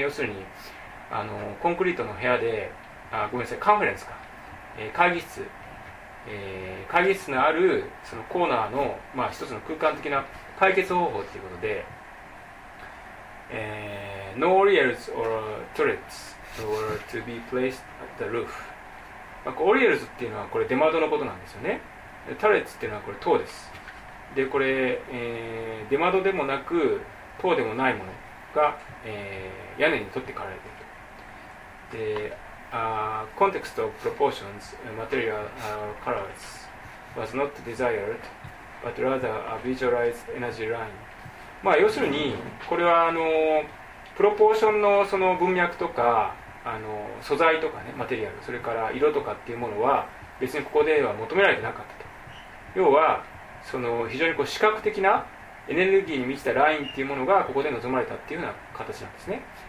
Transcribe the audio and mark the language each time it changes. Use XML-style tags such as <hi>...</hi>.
<ja>要するにコンクリートの部屋で、あ、ごめんなさい、カンファレンスか、会議室、会議室のあるそのコーナーの、まあ、一つの空間的な解決方法ということで、</ja> <en>No oriels or turrets were to be placed at the roof、</en> <ja>まあ、oriels っていうのはこれ出窓のことなんですよね。 turrets っていうのはこれ塔です。でこれ、出窓でもなく塔でもないものが、屋根に取ってかられている。</ja> <en>でcontext of proportions, material, colors was not desired, but rather a visualized energy line。</en> <ja>まあ要するにこれはプロポーションのその文脈とか素材とかね、マテリアル、それから色とかっていうものは別にここでは求められてなかったと。要はその非常にこう視覚的なエネルギーに満ちたラインっていうものがここで望まれたっていうような形なんですね。</ja>